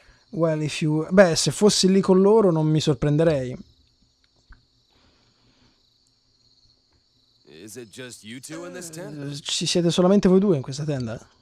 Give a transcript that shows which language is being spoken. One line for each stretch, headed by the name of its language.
Italian: Beh, se fossi lì con loro non mi sorprenderei.
English: Is it just you two in this tent?
Italian: Ci siete solamente voi due in questa tenda?